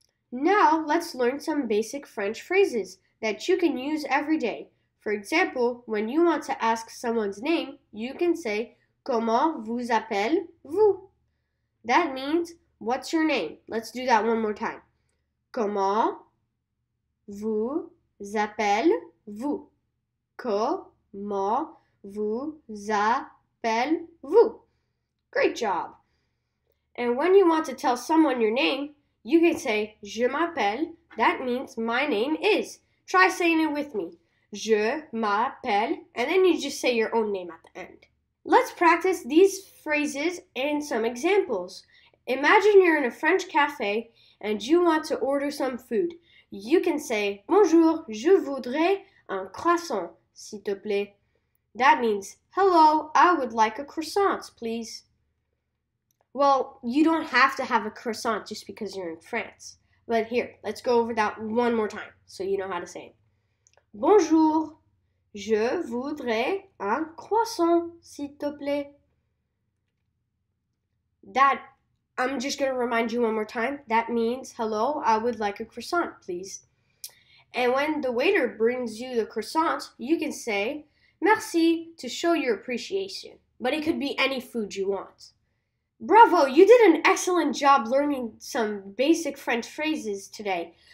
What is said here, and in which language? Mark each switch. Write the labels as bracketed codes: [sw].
[en] Now let's learn some basic French phrases that you can use every day. For example, when you want to ask someone's name, you can say [fr] comment vous appelez-vous? [en] That means, what's your name? Let's do that one more time. [fr] Comment vous appelez-vous? Comment vous appelez-vous? [en] Great job. And when you want to tell someone your name, you can say, [fr] je m'appelle. [en] That means, my name is. Try saying it with me. [fr] Je m'appelle. [en] And then you just say your own name at the end. Let's practice these phrases and some examples. Imagine you're in a French cafe and you want to order some food. You can say, [fr] bonjour, je voudrais un croissant, s'il te plaît. [en] That means, hello, I would like a croissant, please. Well, you don't have to have a croissant just because you're in France. But here, let's go over that one more time so you know how to say it. [fr] Bonjour, je voudrais un croissant, s'il te plaît. [en] I'm just going to remind you one more time. That means, hello, I would like a croissant, please. And when the waiter brings you the croissant, you can say, merci, to show your appreciation. But it could be any food you want. Bravo, you did an excellent job learning some basic French phrases today.